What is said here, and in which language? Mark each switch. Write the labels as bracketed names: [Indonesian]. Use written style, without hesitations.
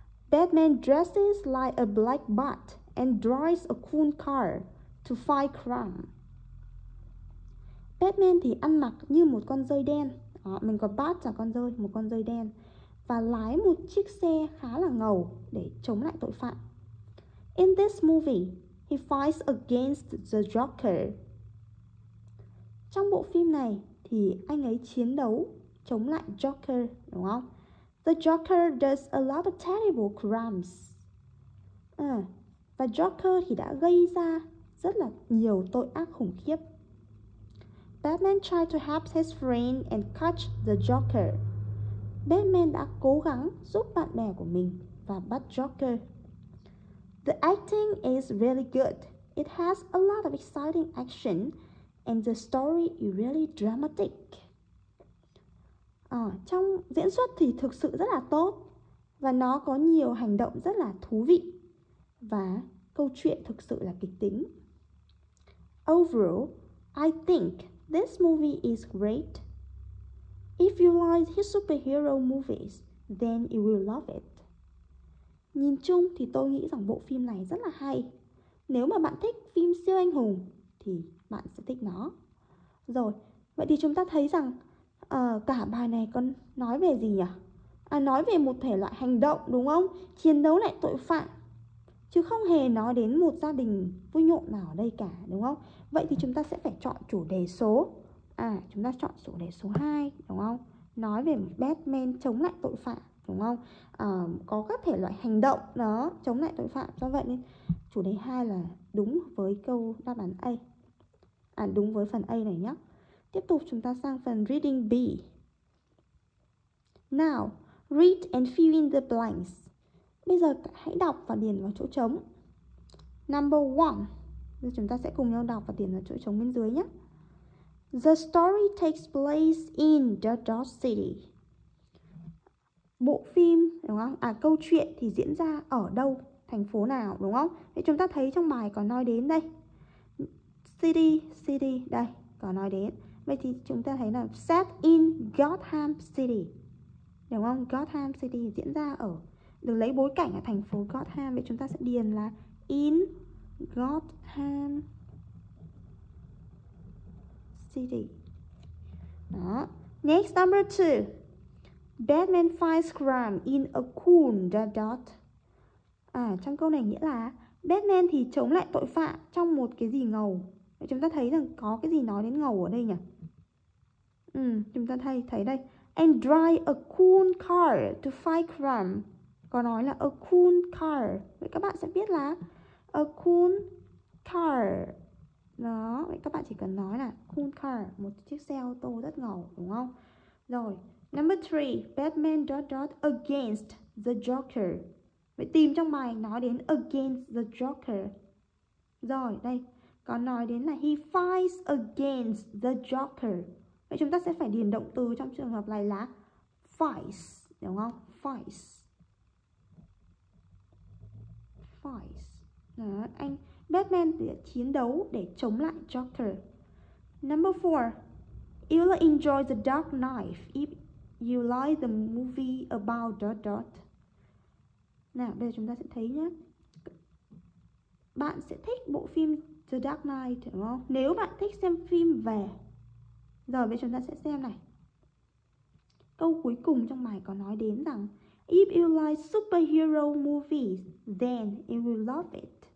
[English] Batman dresses like a black bat and drives a cool car to fight crime. [Vietnamese] Batman thì ăn mặc như một con dơi đen. Đó, mình có bat là con dơi, một con dơi đen. Và lái một chiếc xe khá là ngầu để chống lại tội phạm. [English] In this movie, he fights against the Joker. [Vietnamese] Trong bộ phim này thì anh ấy chiến đấu chống lại Joker, đúng không? [English] The Joker does a lot of terrible crimes. [Vietnamese] À, và Joker thì đã gây ra rất là nhiều tội ác khủng khiếp. [English] Batman tried to help his friend and catch the Joker. [Vietnamese] Batman đã cố gắng giúp bạn bè của mình và bắt Joker. [English] The acting is really good It has a lot of exciting action, and the story is really dramatic. [Vietnamese] Trong diễn xuất thì thực sự rất là tốt, và nó có nhiều hành động rất là thú vị, và câu chuyện thực sự là kịch tính. [English] Overall, I think this movie is great. If you like his superhero movies, then you will love it. [Vietnamese] Nhìn chung thì tôi nghĩ rằng bộ phim này rất là hay. Nếu mà bạn thích phim siêu anh hùng thì bạn sẽ thích nó. Rồi, vậy thì chúng ta thấy rằng cả bài này còn nói về gì nhỉ? Nói về một thể loại hành động đúng không? Chiến đấu lại tội phạm, chứ không hề nói đến một gia đình vui nhộn nào ở đây cả đúng không? Vậy thì chúng ta sẽ phải chọn chủ đề số. Chúng ta chọn chủ đề số 2 đúng không? Nói về Batman chống lại tội phạm đúng không? Có các thể loại hành động đó chống lại tội phạm. Do vậy nên chủ đề 2 là đúng với câu đáp án A. Đúng với phần A này nhé. Tiếp tục chúng ta sang phần reading B. [English] Now, read and fill in the blanks. [Vietnamese] Bây giờ hãy đọc và điền vào chỗ trống. [English] Number 1. [Vietnamese] Bây giờ chúng ta sẽ cùng nhau đọc và điền vào chỗ trống bên dưới nhé. [English] The story takes place in the Dark City. [Vietnamese] Bộ phim đúng không? Câu chuyện thì diễn ra ở đâu? Thành phố nào đúng không? Thì chúng ta thấy trong bài có nói đến đây. City đây có nói đến. Vậy thì chúng ta thấy là [English] set in Gotham City. [Vietnamese] Đúng không? Gotham City diễn ra ở được lấy bối cảnh ở thành phố Gotham, vậy chúng ta sẽ điền là [English] in Gotham City. [Vietnamese] Đó. [English] Next number 2. Batman fights crime in a cool dot. [Vietnamese] Trong câu này nghĩa là Batman thì chống lại tội phạm trong một cái gì ngầu. Vậy chúng ta thấy rằng có cái gì nói đến ngầu ở đây nhỉ? Chúng ta thấy đây. [English] And drive a cool car to fight crime. [Vietnamese] Có nói là [English] a cool car. [Vietnamese] Vậy các bạn sẽ biết là [English] a cool car. [Vietnamese] Đó, vậy các bạn chỉ cần nói là cool car, một chiếc xe ô tô rất ngầu đúng không? [English] Rồi, number 3, Batman dot dot against the Joker. [Vietnamese] Vậy tìm trong bài nói đến against the Joker. Rồi, đây, có nói đến là [English] he fights against the Joker. [Vietnamese] Vậy chúng ta sẽ phải điền động từ trong trường hợp này là fights, đúng không? Fights. Đó, anh Batman chiến đấu để chống lại Joker. [English] Number 4. You'll enjoy The Dark Knight if you like the movie about dot dot. [Vietnamese] Nào, bây giờ chúng ta sẽ thấy nhé. Bạn sẽ thích bộ phim The Dark Knight đúng không? Nếu bạn thích xem phim về. Rồi, bây giờ chúng ta sẽ xem này. Câu cuối cùng trong bài có nói đến rằng [English] if you like superhero movies, then you will love it.